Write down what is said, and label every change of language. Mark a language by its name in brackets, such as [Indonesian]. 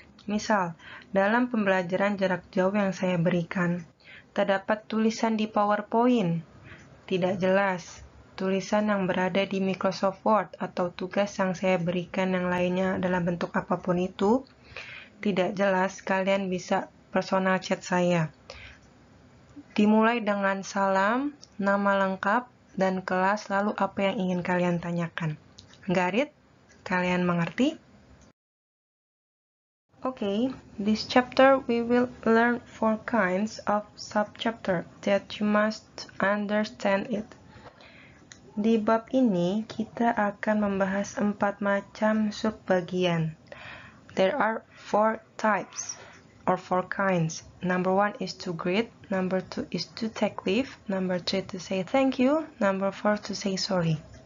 [Indonesian] Misal, dalam pembelajaran jarak jauh yang saya berikan, terdapat tulisan di PowerPoint tidak jelas, tulisan yang berada di Microsoft Word atau tugas yang saya berikan yang lainnya dalam bentuk apapun itu tidak jelas, kalian bisa personal chat saya. Dimulai dengan salam, nama lengkap, dan kelas, lalu apa yang ingin kalian tanyakan. Garit, kalian mengerti? [English] Okay, this chapter we will learn four kinds of subchapter that you must understand it. [Indonesian] Di bab ini, kita akan membahas empat macam subbagian. [English] There are four types or four kinds. Number one is to greet. Number two is to take leave. Number three to say thank you. Number four to say sorry.